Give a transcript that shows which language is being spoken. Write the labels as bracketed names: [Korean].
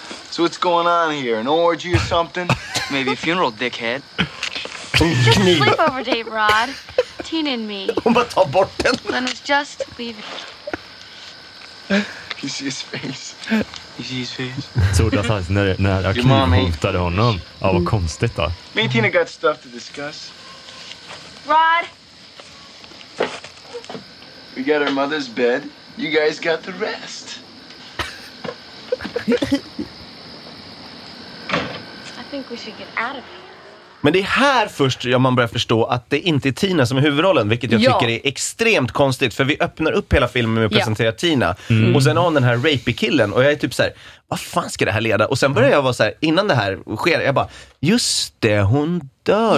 [English] So what's going on here? An orgy or something? Maybe a funeral, dickhead. Just a sleepover date, Rod. Tina and me. [Swedish] Hon bara tar bort den. [English] Len was just leaving. You see his face? Jesus. [Swedish] Så då när jag hotade honom. Ja, vad konstigt då. [English] Me and Tina got stuff to discuss. Rod. We got our mother's bed. You guys got the rest. I think we should get out of here. [Swedish] Men det är här först man börjar förstå att det inte är Tina som är huvudrollen, vilket jag tycker är extremt konstigt, för vi öppnar upp hela filmen med att presentera Tina och sen har den här rapey killen, och jag är typ så här, vad fan ska det här leda? Och sen börjar jag vara så här, innan det här sker, jag bara, just det, hon dör